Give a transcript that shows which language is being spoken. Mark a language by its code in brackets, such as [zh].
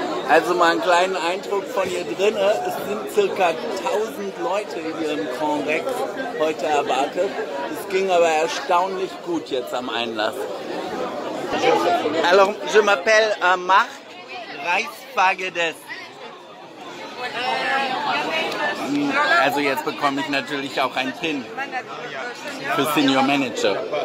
[de] Also mal einen kleinen Eindruck von hier drin. Es sind circa 1000 Leute hier im Grand Rex heute erwartet. Es ging aber erstaunlich gut jetzt am Einlass. [fr] Alors, je m'appelle Marc Reichsfagedes. [de] Also jetzt bekomme ich natürlich auch ein PIN für Senior Manager.